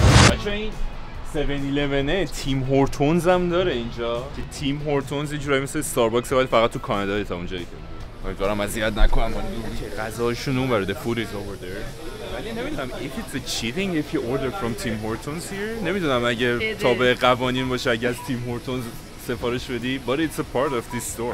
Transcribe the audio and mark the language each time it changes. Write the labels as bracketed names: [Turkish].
[Persian] بچه این 7-11 تیم هورتونز هم داره اینجا که تیم هورتونز یه جورایی مثل ستارباکس ولی فقط تو کانادا تا اونجایی که امیدوارم اذیت نکنم که غذاشون اون برده [English] food is over there. [Persian] ولی نمیدونم [English] if it's a cheating if you order from Tim Hortons here. [Persian] نمیدونم اگه تابع قوانین باشه اگه از Tim Hortons سفارش بدی، [English] but it's a part of this store.